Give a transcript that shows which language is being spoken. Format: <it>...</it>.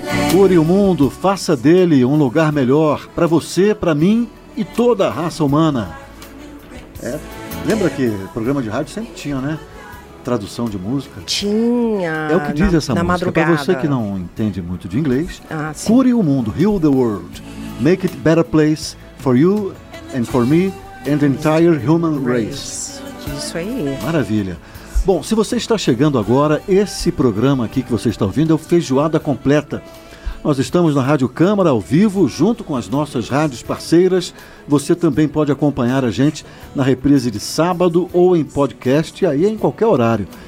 <pt>Cure o mundo, faça dele um lugar melhor para você, para mim e toda a raça humana. É, lembra que programa de rádio sempre tinha, né? Tradução de música. Tinha. É o que diz essa música. Madrugada. Pra você que não entende muito de inglês, ah, cure o mundo,</pt> <en>heal the world. Make it better place for you and for me and the entire human race.</en> <pt>Isso aí. Maravilha. Bom, se você está chegando agora, esse programa aqui que você está ouvindo é o Feijoada Completa. Nós estamos na Rádio Câmara, ao vivo, junto com as nossas rádios parceiras. Você também pode acompanhar a gente na reprise de sábado ou em podcast, aí em qualquer horário.</pt>